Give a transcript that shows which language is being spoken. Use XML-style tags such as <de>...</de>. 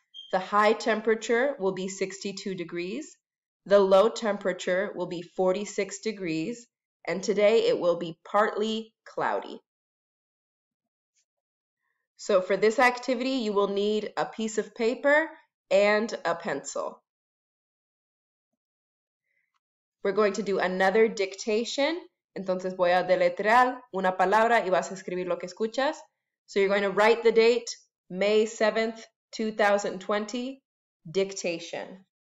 <en>The high temperature will be 62 degrees. The low temperature will be 46 degrees. And today it will be partly cloudy. So for this activity, you will need a piece of paper and a pencil. We're going to do another dictation.</en> <es>Entonces voy a deletrear una palabra y vas a escribir lo que escuchas.</es> <en>So you're going to write the date, May 7th, 2020, dictation.</en>